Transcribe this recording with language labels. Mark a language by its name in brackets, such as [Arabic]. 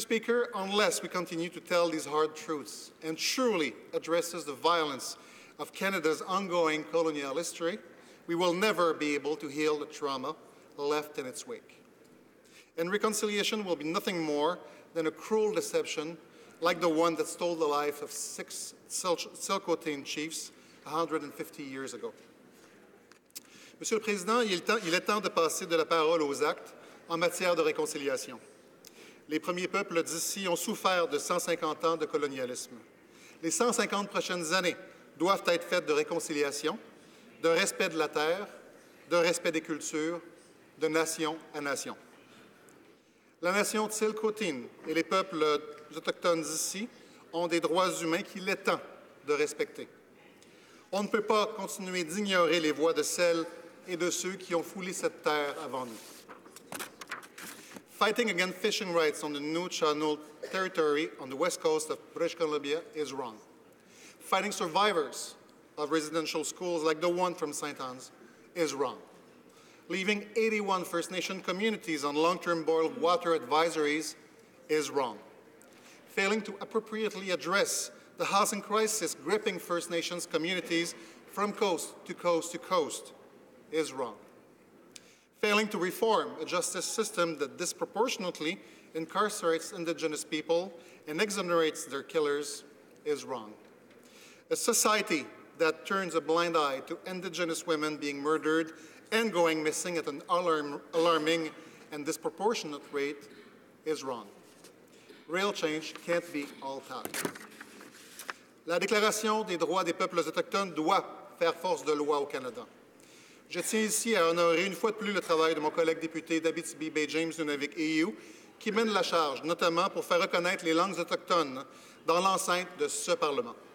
[English] Speaker, unless we continue to tell these hard truths and truly addresses the violence of Canada's ongoing colonial history, we will never be able to heal the trauma left in its wake. And reconciliation will be nothing more than a cruel deception like the one that stole the life of six Tsilhqot’in chiefs 150 years ago. [French] Monsieur le Président, il est temps de passer de la parole aux actes en matière de réconciliation. Les premiers peuples d'ici ont souffert de 150 ans de colonialisme. Les 150 prochaines années doivent être faites de réconciliation, de respect de la terre, de respect des cultures, de nation à nation. La nation Tsilhqot’in et les peuples autochtones ici ont des droits humains qu'il est temps de respecter. On ne peut pas continuer d'ignorer les voix de celles et de ceux qui ont foulé cette terre avant nous. [English] Fighting against fishing rights on the Tsilhqot’in territory on the west coast of British Columbia is wrong. Fighting survivors of residential schools like the one from St. Anne's is wrong. Leaving 81 First Nation communities on long-term boil water advisories is wrong. Failing to appropriately address the housing crisis gripping First Nations communities from coast to coast to coast is wrong. Failing to reform a justice system that disproportionately incarcerates Indigenous people and exonerates their killers is wrong. A society that turns a blind eye to Indigenous women being murdered and going missing at an alarming and disproportionate rate is wrong. Real change can't be all talk. [French] La Déclaration des droits des peuples autochtones doit faire force de loi au Canada. Je tiens ici à honorer une fois de plus le travail de mon collègue député d'Abitibi-Baie-James, Nunavik EU, qui mène la charge, notamment pour faire reconnaître les langues autochtones dans l'enceinte de ce Parlement.